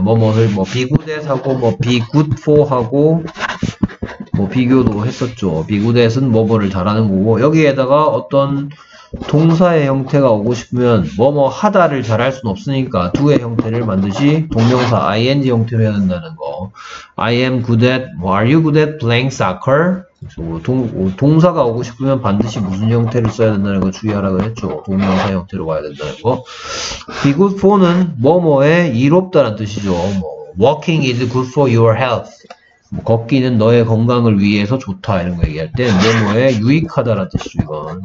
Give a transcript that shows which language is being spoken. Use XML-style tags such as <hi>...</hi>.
<ko>뭐뭐를 뭐</ko> <en>be good at</en> <ko>하고 뭐</ko> <en>be good for</en> <ko>하고 뭐 비교도 했었죠. be good at은 뭐뭐를 잘하는 거고, 여기에다가 어떤 동사의 형태가 오고 싶으면 뭐뭐 하다를 잘할 순 없으니까 do의 형태를 반드시 동명사 ing 형태로 해야 된다는 거.</ko> <en>I am good at, are you good at playing soccer?</en> <ko>동사가 오고 싶으면 반드시 무슨 형태를 써야 된다는 거 주의하라고 했죠. 동명사 형태로 와야 된다는 거. Be good for는 뭐뭐에 이롭다란 뜻이죠. 뭐,</ko> <en>walking is good for your health.</en> <ko>뭐, 걷기는 너의 건강을 위해서 좋다 이런 거 얘기할 때 뭐뭐에 유익하다라는 뜻이죠.</ko>